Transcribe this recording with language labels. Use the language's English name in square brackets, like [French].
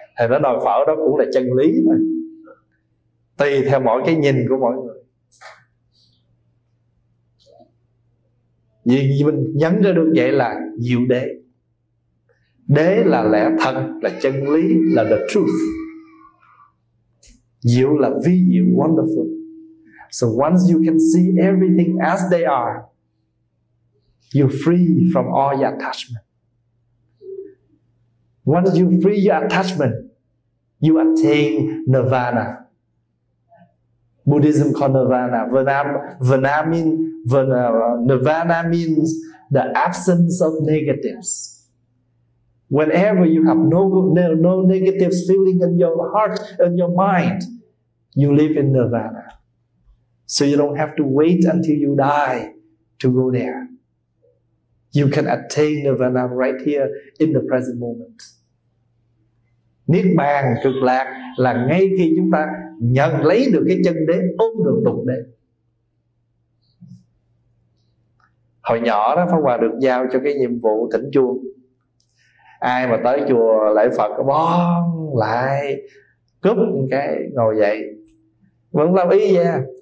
[Vietnamese] Thì nó nồi phở đó cũng là chân lý mà, tùy theo mỗi cái nhìn của mọi người. Vì mình nhấn ra được vậy là diệu đế. Đế là lẽ thật, là chân lý, là the truth. Diệu là vi diệu, wonderful. [English] So once you can see everything as they are, you're free from all your attachment. Once you free your attachment, you attain nirvana. Buddhism called nirvana. Nirvana means the absence of negatives. Whenever you have no negative feeling in your heart, in your mind, you live in nirvana. So you don't have to wait until you die to go there. You can attain nirvana right here in the present moment. [Vietnamese] Niết bàn cực lạc là ngay khi chúng ta nhận lấy được cái chân đế, ôm được tục đế. Hồi nhỏ đó Pháp Hòa được giao cho cái nhiệm vụ thỉnh chuông. Ai mà tới chùa lễ Phật bon lại cúp một cái ngồi dậy, vẫn làm ý nha.